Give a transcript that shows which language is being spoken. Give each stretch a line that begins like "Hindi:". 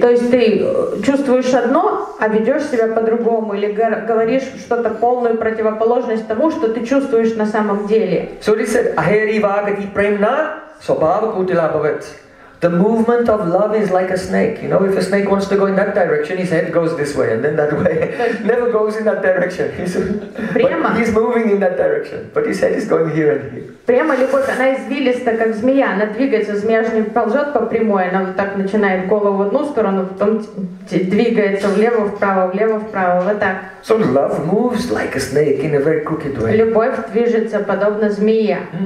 Russian: То есть ты чувствуешь одно, а ведешь себя по-другому или говоришь что-то полную противоположность тому, что ты чувствуешь на самом деле.
English: So he said,
Sanskrit: ahari vagati premna svabhava kutila bhavat.
English: The movement of love is like a snake. You know, if a snake wants to go in that direction, his head goes this way and then that way. Never goes in that direction. He's moving in that direction, but his head is going here and here.
Russian: Прямо любовь, она извилиста, как змея. Она двигается, змея же не ползет по прямой. Она вот так начинает голову в одну сторону, потом двигается влево, вправо, влево, вправо. Вот так.
English: So love moves like a snake in a very crooked way.
Russian: Любовь движется подобно змее.